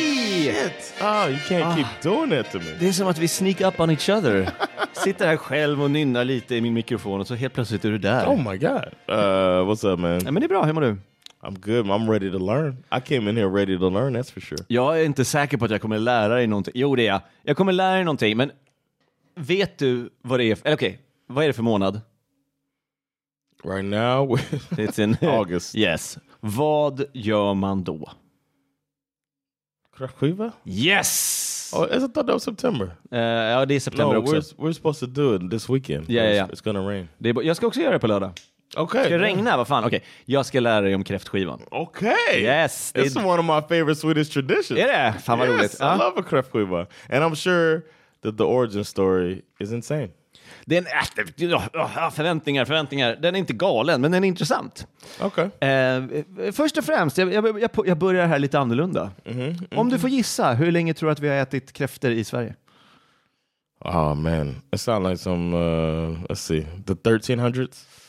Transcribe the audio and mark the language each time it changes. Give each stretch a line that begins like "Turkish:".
English: You can't keep doing it to me.
Swedish: Det är som att vi
English: sneak up on each other.
Swedish: Sitter här själv och nynnar lite i min mikrofon och så helt plötsligt är du där.
English: Oh my god. What's up, man?
Swedish: Ja, men det är bra. Hur mår du?
English: I'm good. I'm ready to learn. I came in here ready to learn, that's for sure.
Swedish: Jag är inte säker på att jag kommer lära dig någonting. Jo, det är jag. Jag kommer lära dig någonting, men vet du vad det är? Eller okej, vad är det för månad?
English: Right now, it's in August.
Swedish: Yes. Vad gör man då? Kräftskiva?
English: Yes! Oh, I thought that was September.
Swedish: Ja, det är september också.
English: We're supposed to do it this weekend.
Swedish: Ja, ja, ja.
English: It's gonna rain.
Swedish: Jag ska också göra det på lördag. Okej. Okay, ska regna? Yeah. Vad fan? Okej. Okay. Jag ska lära dig om kräftskivan. Okej!
English: Okay. Yes! It's one of my favorite Swedish traditions.
Swedish: Är det? Fan vad
English: yes,
Swedish: roligt.
English: Yes, I love a kräftskiva. And I'm sure that the origin story is insane.
Swedish: Den är förväntningar. Den är inte galen, men den är intressant.
English: Okay.
Swedish: Först och främst, jag börjar här lite annorlunda. Mm-hmm. Om du får gissa, hur länge tror du att vi har ätit kräfter i Sverige?
English: Oh man, it sounds like some, let's see, the 1300s?